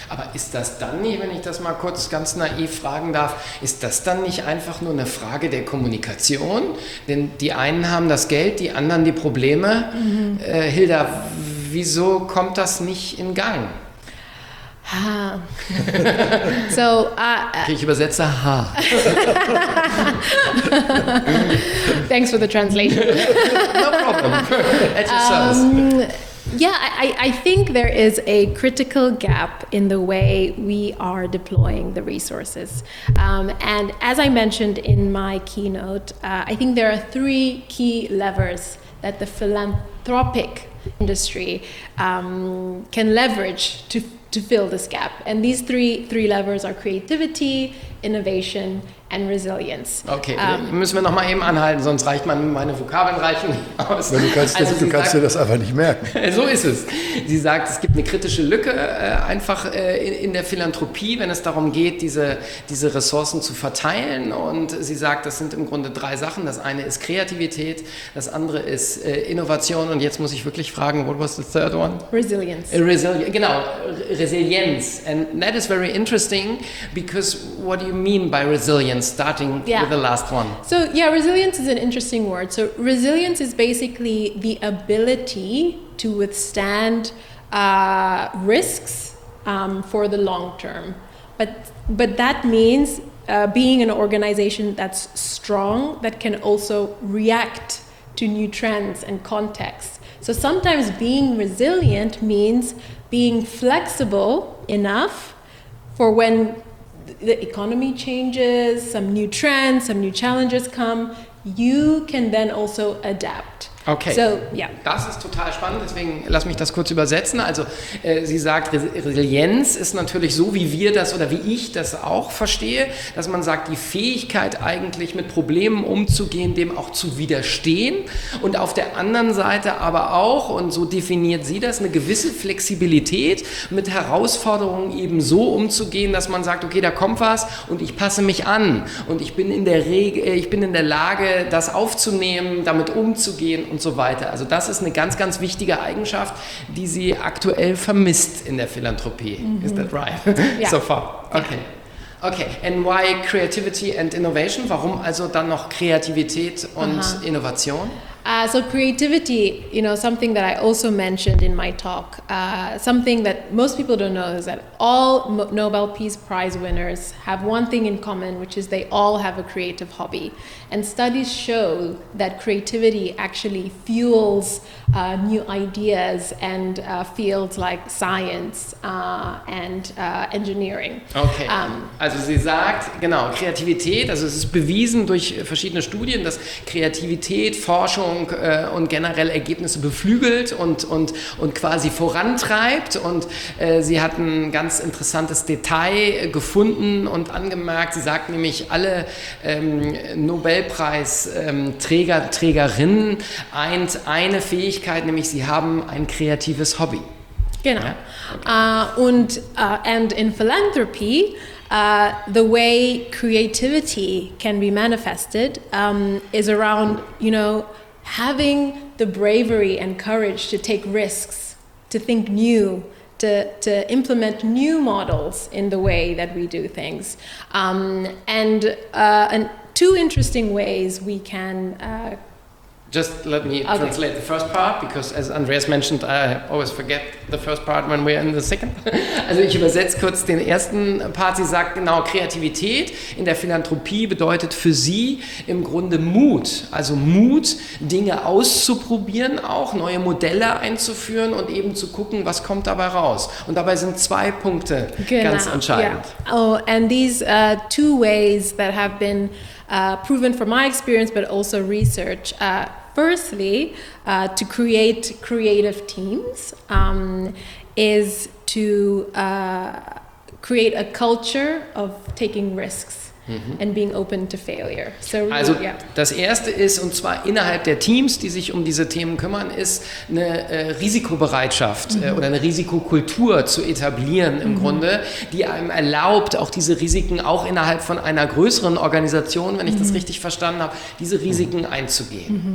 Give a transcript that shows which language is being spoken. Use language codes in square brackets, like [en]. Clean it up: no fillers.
[de] Aber ist das dann nicht, wenn ich das mal kurz ganz naiv fragen darf, ist das dann nicht einfach nur eine Frage der Kommunikation? Denn die einen haben das Geld, die anderen die Probleme. Mhm. Hilda, wieso kommt das nicht in Gang? Ha. So, okay, ich übersetze ha. [en] Thanks for the translation. No problem. At your service. Yeah, I think there is a critical gap in the way we are deploying the resources. And as I mentioned in my keynote, I think there are three key levers that the philanthropic industry can leverage to fill this gap. And these three levers are creativity, innovation, and resilience. [de] Okay, müssen wir noch mal eben anhalten, sonst reicht man meine Vokabeln reichen aus. Ja, du kannst dir das einfach nicht merken. So ist es. Sie sagt, es gibt eine kritische Lücke einfach in der Philanthropie, wenn es darum geht, diese Ressourcen zu verteilen. Und sie sagt, das sind im Grunde drei Sachen. Das eine ist Kreativität, das andere ist Innovation. Und jetzt muss ich wirklich fragen, [en] what was the third one? Resilience. [de] Resilienz. [en] And that is very interesting, because what do you mean by resilience? Starting with the last one. So yeah, resilience is an interesting word. So resilience is basically the ability to withstand risks for the long term. But that means being an organization that's strong, that can also react to new trends and contexts. So sometimes being resilient means being flexible enough for when the economy changes, some new trends, some new challenges come, you can then also adapt. Okay, so, [de] das ist total spannend, deswegen lass mich das kurz übersetzen. Also sie sagt, Resilienz ist natürlich so, wie wir das oder wie ich das auch verstehe, dass man sagt, die Fähigkeit eigentlich mit Problemen umzugehen, dem auch zu widerstehen, und auf der anderen Seite aber auch, und so definiert sie das, eine gewisse Flexibilität mit Herausforderungen eben so umzugehen, dass man sagt, okay, da kommt was und ich passe mich an und ich bin in der Lage, das aufzunehmen, damit umzugehen und so weiter. Also das ist eine ganz, ganz wichtige Eigenschaft, die sie aktuell vermisst in der Philanthropie. [en] Mm-hmm. Is that right? Yeah. So far. Okay. Okay. And why creativity and innovation? [de] Warum also dann noch Kreativität und Innovation? [en] So creativity, you know, something that I also mentioned in my talk, something that most people don't know is that all Nobel Peace Prize winners have one thing in common, which is they all have a creative hobby. And studies show that creativity actually fuels new ideas and fields like science and engineering. [de] Okay, also sie sagt, genau, Kreativität, also es ist bewiesen durch verschiedene Studien, dass Kreativität, Forschung, Forschung und generell Ergebnisse beflügelt und quasi vorantreibt. Und sie hat ein ganz interessantes Detail gefunden und angemerkt. Sie sagt nämlich, alle Nobelpreisträger, Trägerinnen eint eine Fähigkeit, nämlich sie haben ein kreatives Hobby. Genau. [en] And in philanthropy, the way creativity can be manifested is around, you know, having the bravery and courage to take risks, to think new, to implement new models in the way that we do things. And two interesting ways we can Just let me translate the first part, because as Andreas mentioned, I always forget the first part when we're in the second. [de] Also ich übersetze kurz den ersten Part. Sie sagt genau, Kreativität in der Philanthropie bedeutet für sie im Grunde Mut. Also Mut, Dinge auszuprobieren auch, neue Modelle einzuführen und eben zu gucken, was kommt dabei raus. Und dabei sind zwei Punkte ganz entscheidend. [en] Yeah. Oh, and these two ways that have been proven from my experience, but also research. Firstly, to create creative teams is to create a culture of taking risks and being open to failure. [de] So, also das erste ist, und zwar innerhalb der Teams, die sich um diese Themen kümmern, ist eine Risikobereitschaft oder eine Risikokultur zu etablieren im Grunde, die einem erlaubt, auch diese Risiken auch innerhalb von einer größeren Organisation, wenn ich das richtig verstanden habe, diese Risiken einzugehen.